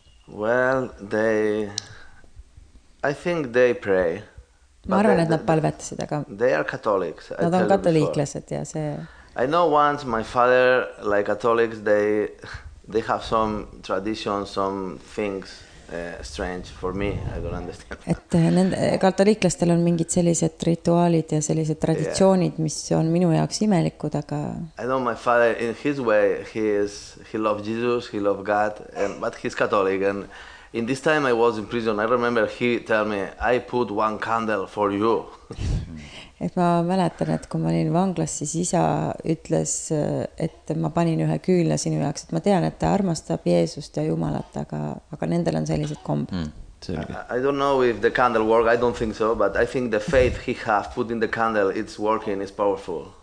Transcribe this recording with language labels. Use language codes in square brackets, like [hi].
[en] Well, I think they pray. [et] Ma arvan, et nad palvetasid, aga... [en] They are Catholics. [et] Nad on katoliiklased, ja see... [en] I know once my father, like Catholics, they have some traditions, some things... strange for me, I don't understand. [et] Et nende katoliiklastel on mingid sellised rituaalid ja sellised traditsioonid, mis on minu jaoks imelikud, aga... [en] I know my father in his way, he loves Jesus, he loves God, but he's Catholic. And in this time I was in prison, I remember he tell me, I put one candle for you. [et] Et ma mäletan, et kui ma olin vanglas, siis isa ütles, et ma panin ühe küülna sinu jaoks. Ma tean, et ta armastab Jeesust ja Jumalat, aga nendel on sellised kombed. [en] I don't know if the candle works. I don't think so, but I think the faith he has put in the candle, it's working, it's powerful.